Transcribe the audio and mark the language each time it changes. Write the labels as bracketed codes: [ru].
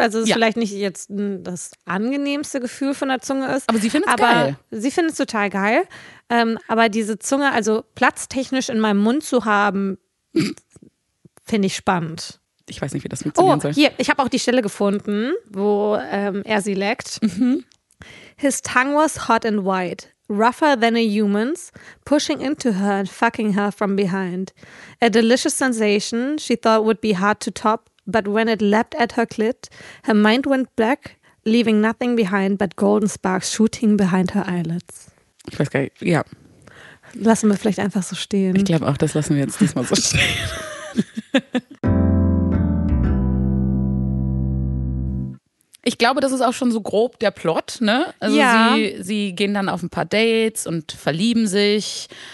[de] Also es ist vielleicht nicht jetzt das angenehmste Gefühl von der Zunge ist. Aber sie findet es geil. Sie findet es total geil. Aber diese Zunge, also platztechnisch in meinem Mund zu haben, finde ich spannend. Ich weiß nicht, wie das funktionieren soll. Oh, hier, ich habe auch die Stelle gefunden, wo er sie leckt. [en] His tongue was hot and white, rougher than a human's, pushing into her and fucking her from behind. A delicious sensation she thought would be hard to top, but when it leapt at her clit, her mind went black, leaving nothing behind but golden sparks shooting behind her eyelids. [de] Ich weiß gar nicht, ja. Lassen wir vielleicht einfach so stehen. Ich glaube auch, das lassen wir jetzt diesmal so stehen. Ich glaube, das ist auch schon so grob der Plot, ne? Also ja. Sie gehen dann auf ein paar Dates und verlieben sich.